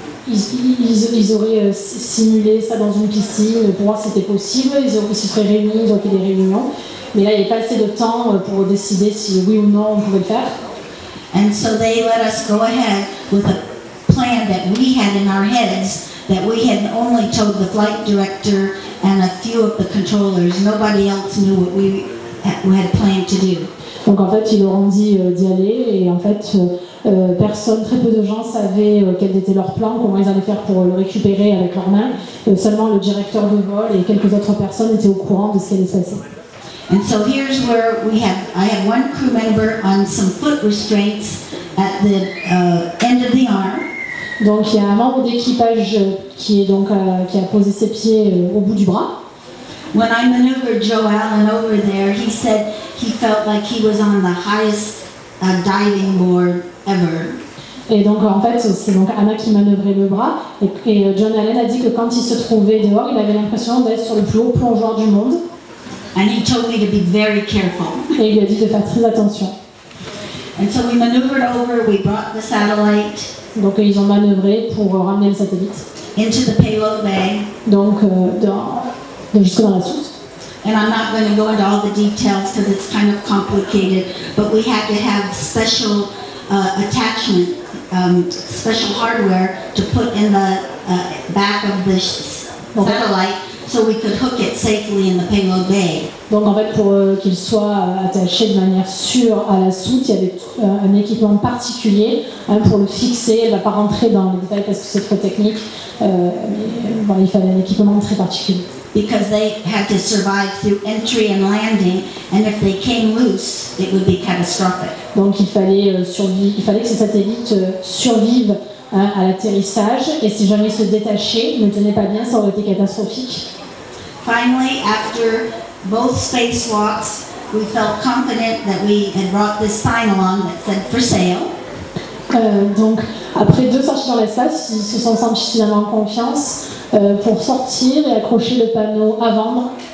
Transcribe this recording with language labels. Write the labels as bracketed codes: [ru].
[fr] Ils auraient simulé ça dans une piscine pour voir si c'était possible. Ils se seraient réunis, ils auraient fait des réunions. Mais là, il n'y avait pas assez de temps pour décider si oui ou non on pouvait le faire. [en] And so they let us go ahead with a plan that we had in our heads that we had only told the flight director and a few of the controllers. Nobody else knew what we had planned to do. [fr] Donc en fait, ils leur ont dit d'y aller et en fait, Personne, très peu de gens savaient quel était leur plan, comment ils allaient faire pour le récupérer avec leurs mains. Seulement le directeur de vol et quelques autres personnes étaient au courant de ce qui allait se passer. [en] And so here's where we have, I have one crew member on some foot restraints at the end of the arm. [fr] Donc il y a un membre d'équipage qui est donc qui a posé ses pieds au bout du bras. [en] When I maneuvered Joe Allen over there, he said he felt like he was on the highest diving board ever. [fr] Et donc en fait c'est donc Anna qui manœuvrait le bras et John Allen a dit que quand il se trouvait dehors, il avait l'impression d'être sur le plus haut plongeoir du monde. [en] And he told me to be very careful. [fr] Et il lui a dit de faire très attention. [en] And so we maneuvered over, we brought the satellite. [fr] Donc ils ont manœuvré pour ramener le satellite. [en] Into the payload bay. [fr] Donc jusque dans la soute. [en] And I'm not going to go into all the details because it's kind of complicated, but we had to have special attachment, special hardware to put in the back of the satellite. So we could hook it safely in the payload bay. [fr] Donc en fait, pour qu'il soit attaché de manière sûre à la soute, il y avait un équipement particulier hein, pour le fixer. Elle ne va pas rentrer dans les détails parce que c'est trop technique. Mais, bon, il fallait un équipement très particulier. [en] Because they had to survive through entry and landing, and if they came loose, it would be catastrophic. [fr] Donc il fallait que ces satellites survivent hein, à l'atterrissage, et si jamais se détachaient, ne tenaient pas bien, ça aurait été catastrophique. [en] Finally, after both spacewalks, we felt confident that we had brought this sign along that said for sale. [fr] Donc après deux sorties dans l'espace, ils se sont sentis finalement en confiance pour sortir et accrocher le panneau à vendre.